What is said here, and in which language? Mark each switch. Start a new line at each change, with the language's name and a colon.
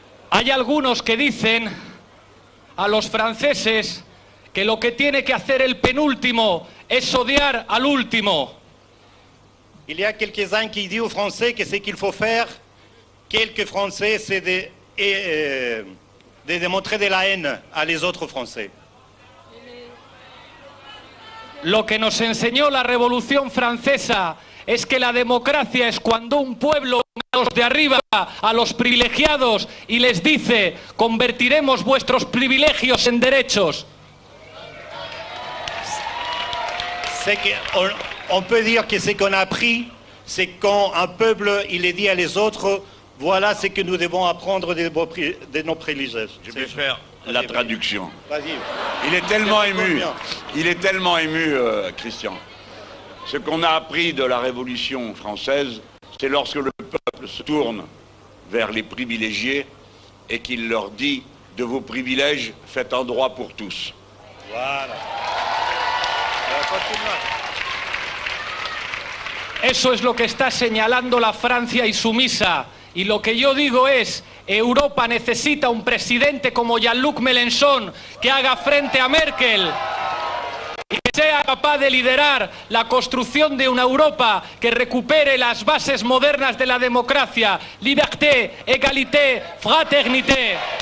Spanish: Hay algunos que dicen a los franceses que lo que tiene que hacer el penúltimo es odiar al último.
French: Il y a quelques-uns qui disent aux Français que ce qu'il faut faire, quelques Français, c'est de... et de démontrer de la haine à les autres Français.
Spanish: Lo que nos enseñó la Revolución Francesa es que la democracia es cuando un pueblo a los de arriba, a los privilegiados, y les dice, convertiremos vuestros privilegios en derechos.
French: C'est que on peut dire que ce qu'on a appris, c'est quand un peuple, il les dit à les autres, voilà ce que nous devons apprendre de nos privilèges. Je vais faire la traduction. Il est tellement ému, il est tellement ému, Christian. Ce qu'on a appris de la Révolution française, c'est lorsque le peuple se tourne vers les privilégiés et qu'il leur dit « De vos privilèges, faites un droit pour tous ». Voilà.
Spanish: Eso es lo que está señalando la Francia insumisa. Y lo que yo digo es, Europa necesita un presidente como Jean-Luc Mélenchon que haga frente a Merkel y que sea capaz de liderar la construcción de una Europa que recupere las bases modernas de la democracia.
French: Liberté, égalité, fraternité.